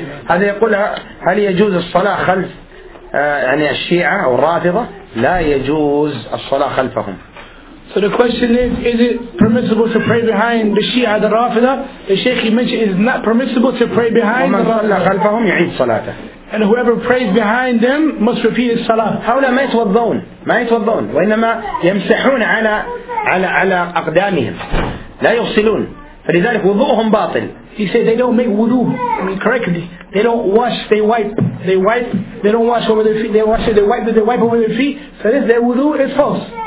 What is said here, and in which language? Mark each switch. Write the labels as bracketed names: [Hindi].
[Arabic] هذا يقول: هل يجوز الصلاة خلف يعني الشيعة أو الرافضة؟ لا يجوز الصلاة خلفهم. [English] So the question is it permissible to pray behind the Shia, the Rafida? The Sheikh he mentioned is not permissible to pray behind [Arabic] ومن صلى خلفهم يعيد صلاته. [English] And whoever prays behind them must repeat his salah. [Arabic] هؤلاء ما يتوضون وإنما يمسحون على على على أقدامهم، لا يغسلون، فلذلك وضوءهم باطل. [English] He said they don't make wudu. I mean correctly. They don't wash. They wipe. They wipe. They don't wash over their feet. They wash it. They wipe. They wipe over their feet. So this their wudu is false.